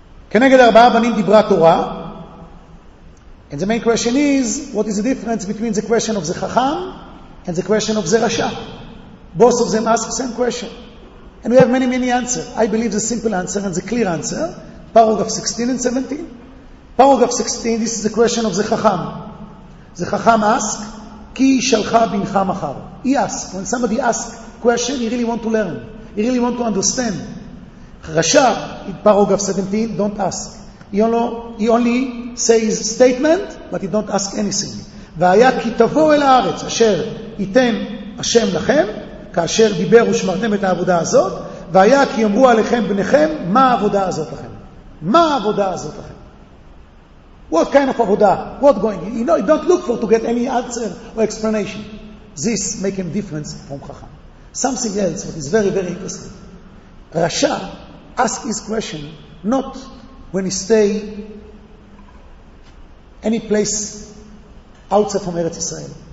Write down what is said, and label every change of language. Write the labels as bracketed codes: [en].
[he] כנגד ארבעה בנים דיברה תורה. [en] And the main question is, what is the difference between the question of the Chacham and the question of the Rasha? Both of them ask the same question. And we have many, many answers. I believe the simple answer and the clear answer. Paragraph 16 and 17. Paragraph 16, this is the question of the Chacham. The Chacham asks, [he] Ki shalcha bincha machar. [en] He asks. When somebody asks a question, he really wants to learn. He really wants to understand. Rasha, in paragraph 17, don't ask. He only says statement, but he don't ask anything. [he] V'haya ki tavo el haaretz, asher yiten Hashem lachem, כאשר דיבר ושמרתם את העבודה הזאת, והיה כי אמרו עליכם בניכם, מה העבודה הזאת לכם? מה העבודה הזאת לכם? [en] What kind of עבודה? What going? You know, you don't look for to get any answer or explanation. This make him difference from חכם. Something else, but it's very, very interesting. רשע ask his question, not when he stay any place outside from ארץ ישראל.